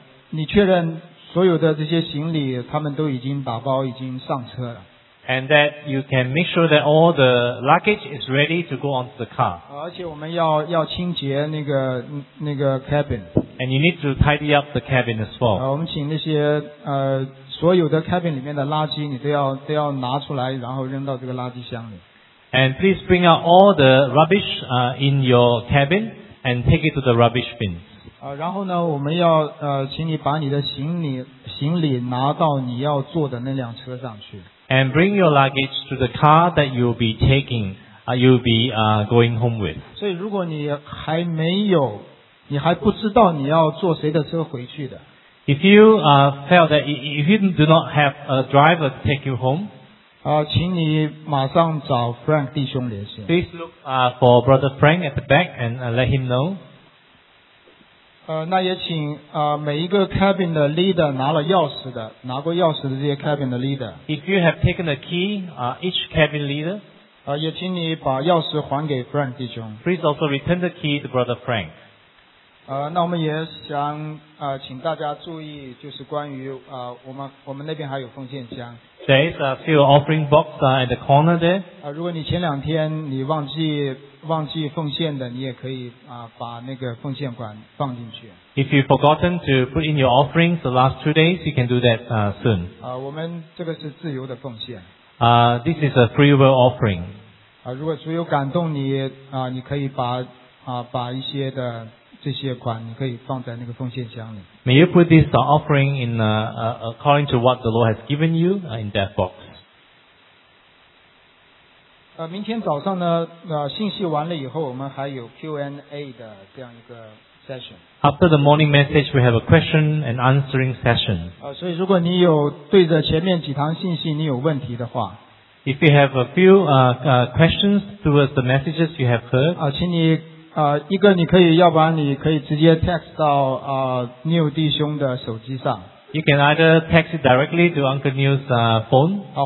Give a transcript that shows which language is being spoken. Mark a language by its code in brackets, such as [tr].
[zh] 你确认所有的这些行李他们都已经打包已经上车了 [en] and that you can make sure that all the luggage is ready to go onto the car [zh] 而且我们要清洁那个 cabin [en] and you need to tidy up the cabin as well [zh] 我们请那些所有的 cabin 里面的垃圾你都要拿出来然后扔到这个垃圾箱里 [en] and please bring out all the rubbish in your cabin and take it to the rubbish bin [zh] 然后呢我们要请你把你的行李拿到你要坐的那辆车上去。 [en] And bring your luggage to the car that you'll be taking, you'll be going home with. [zh] 所以如果你还不知道你要坐谁的车回去的。 [en] If you felt that if you do not have a driver to take you home, [zh] 请你马上找 Frank 弟兄联系。 [en] Please look for Brother Frank at the back and let him know. [zh] 那也请每一个 cabin 的 leader 拿过钥匙的这些 cabin 的 leader [en] If you have taken a key, each cabin leader [zh] 也请你把钥匙还给 Frank 弟兄。 [en] Please also return the key to Brother Frank. [zh] 那我们也想请大家注意，就是关于我们那边还有奉献箱。 [en] There's a few offering box at the corner there. [zh] 如果你前两天你忘记奉献的，你也可以把那个奉献管放进去。 [en] If you've forgotten to put in your offerings the last 2 days, you can do that soon. [zh] 我们这个是自由的奉献。 [en] This is a free will offering. [zh] 如果主有感动你你可以把一些的这些款你可以放在那个奉献箱里。 [en] May you put this offering in according to what the Lord has given you in that box. [zh] 明天早上呢信息完了以后我们还有 Q&A 的这样一个 session. [en] After the morning message, we have a question and answering session. [zh] 所以如果你有对着前面几堂信息你有问题的话。 [en] If you have a few questions towards the messages you have heard. [zh] 请你一个你可以要不然你可以直接 text 到Neil 弟兄的手机上。 [en] You can either text it directly to Uncle Neil's phone.